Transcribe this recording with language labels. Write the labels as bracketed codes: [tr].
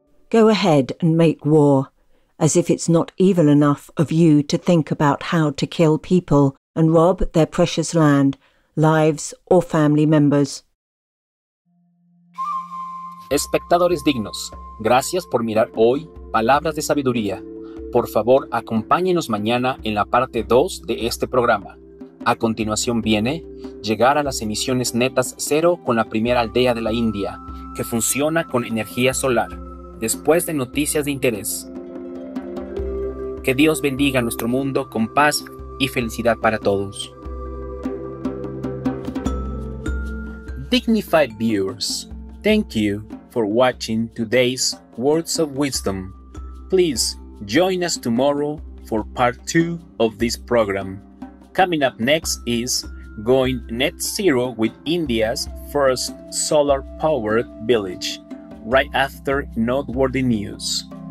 [en] Go ahead and make war, as if it's not evil enough of you to think about how to kill people and rob their precious land, lives or family members. [es] Espectadores dignos, gracias por mirar hoy Palabras de Sabiduría. Por favor, acompáñenos mañana en la parte 2 de este programa. A continuación viene Llegar a las emisiones netas cero con la primera aldea de la India, que funciona con energía solar. Después de Noticias de Interés. Que Dios bendiga nuestro mundo con paz y felicidad para todos. [en] Dignified viewers, thank you for watching today's Words of Wisdom. Please join us tomorrow for part 2 of this program. Coming up next is Going Net Zero with India's First Solar-Powered Village, right after Noteworthy News.